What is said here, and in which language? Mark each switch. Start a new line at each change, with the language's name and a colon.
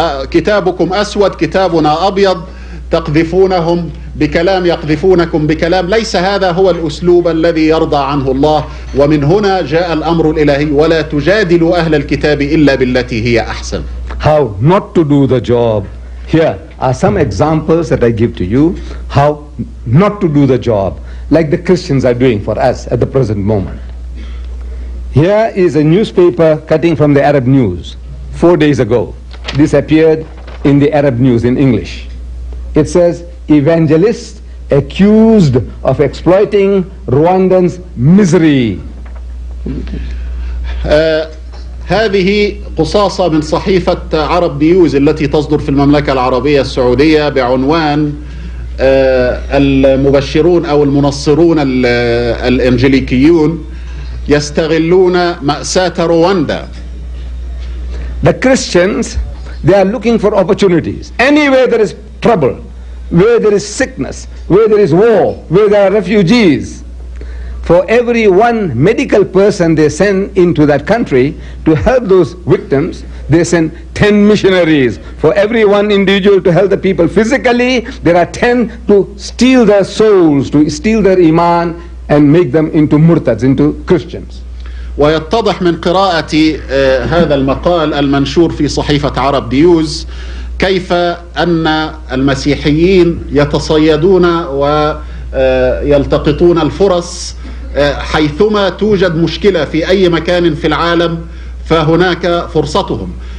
Arabic: كتابكم أسود، كتابنا أبيض، تقذفونهم بكلام يقذفونكم بكلام. ليس هذا هو الأسلوب الذي يرضى عنه الله. ومن هنا جاء الأمر الإلهي ولا تجادلوا أهل الكتاب إلا بالتي هي أحسن.
English: How not to do the job. Here are some examples that I give to you. How not to do the job, like the Christians are doing for us at the present moment. Here is a newspaper cutting from the Arab news 4 days ago. This appeared in the Arab news in English. It says, evangelists accused of exploiting Rwandans' misery.
Arabic: هذه قصاصة من صحيفة عرب نيوز التي تصدر في المملكة العربية السعودية بعنوان المبشرون أو المنصرون الإنجليكيون يستغلون مأساة رواندا.
English: The Christians, they are looking for opportunities. Anywhere there is trouble, where there is sickness, where there is war, where there are refugees. For every one medical person they send into that country to help those victims, they send 10 missionaries. For every one individual to help the people physically, there are 10 to steal their souls, to steal their iman and make them into murtads, into Christians.
Arabic: ويتضح من قراءة هذا المقال المنشور في صحيفة عرب نيوز كيف أن المسيحيين يتصيدون ويلتقطون الفرص حيثما توجد مشكلة في أي مكان في العالم فهناك فرصتهم.